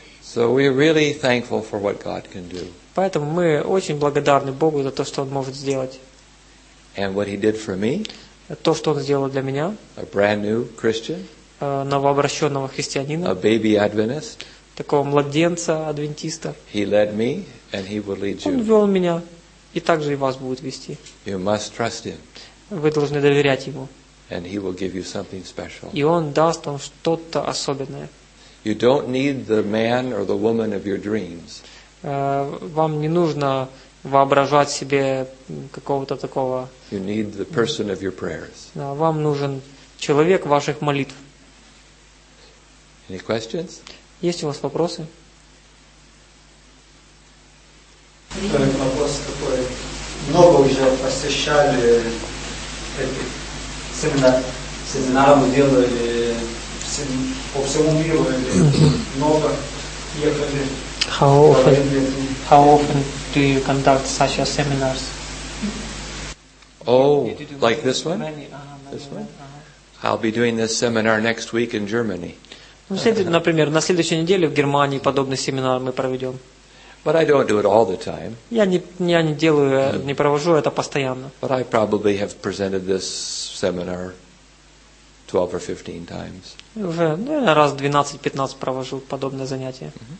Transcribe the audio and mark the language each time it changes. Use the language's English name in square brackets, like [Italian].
[English] So we're really thankful for what God can do. [Russian] Поэтому мы очень благодарны Богу за то, что Он может сделать. [English] And what he did for me, [Russian] то, что он сделал для меня, [English] a brand new Christian, [Russian] новообращенного христианина, [English] a baby Adventist, [Russian] такого младенца адвентиста, [English] he led me, and he will lead you. [Russian] Он вел меня, и также и вас будет вести. [English] You must trust him. [Russian] Вы должны доверять ему. [English] And he will give you something special. [Russian] И он даст вам что-то особенное. [English] You don't need the man or the woman of your dreams. [Russian] Вам не нужно воображать себе какого-то такого. [English] You need the person of your prayers. [Russian] Вам нужен человек ваших молитв. [English] Any questions? [Russian] Есть у вас вопросы? Вопрос такой. Много уже посещали этих семинаров, делали по всему миру, много ехали. [English] How often do you conduct such a seminars? Oh, like this one? This one? I'll be doing this seminar next week in Germany. [Russian] Например, на следующей неделе в Германии подобный семинар мы проведем. [English] But I don't do it all the time. [Russian] Я не провожу это постоянно. [English] But I probably have presented this seminar 12 or 15 times. [Russian] Уже, наверное, раз 12-15 провожу подобное занятие.